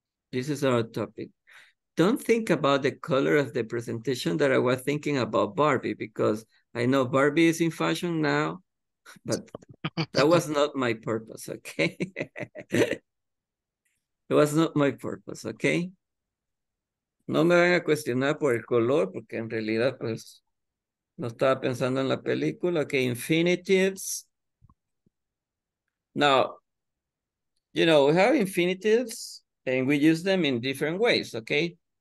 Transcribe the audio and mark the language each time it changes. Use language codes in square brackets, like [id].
[en] This is our topic. Don't think about the color of the presentation that I was thinking about Barbie, because I know Barbie is in fashion now, but that was not my purpose, okay? It was not my purpose, okay? [es] No me van a cuestionar por el color, porque en realidad, pues, no estaba pensando en la película. [en] Okay, infinitives. Now, you know, we have infinitives, and we use them in different ways, okay?